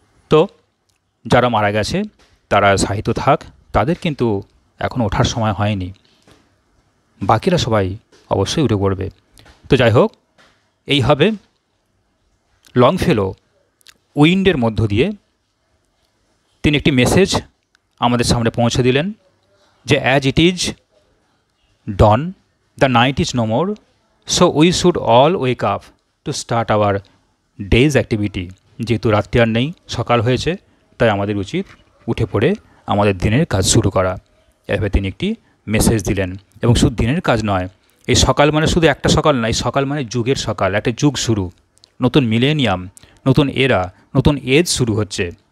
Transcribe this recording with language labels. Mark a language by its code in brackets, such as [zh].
[bn] তো যারা মারা গেছে তারা সাহিত্য থাক, তাদের কিন্তু এখন ওঠার সময় হয়নি, বাকিরা সবাই অবশ্যই উঠে পড়বে। তো যাই হোক, এইভাবে লংফেলো উইন্ডের মধ্য দিয়ে তিনি একটি মেসেজ আমাদের সামনে পৌঁছে দিলেন, যে [en] As it is dawn, The night is no more, so we should all wake up to start our day's activity. [bn] যেহেতু রাত্রি আর নেই, সকাল হয়েছে, তাই আমাদের উচিত উঠে পড়ে আমাদের দিনের কাজ শুরু করা। এভাবে তিনি একটি মেসেজ দিলেন। এবং শুধু দিনের কাজ নয়, এই সকাল মানে শুধু একটা সকাল নয়, এই সকাল মানে যুগের সকাল, একটা যুগ শুরু, নতুন মিলেনিয়াম, নতুন এরা, নতুন এজ শুরু হচ্ছে।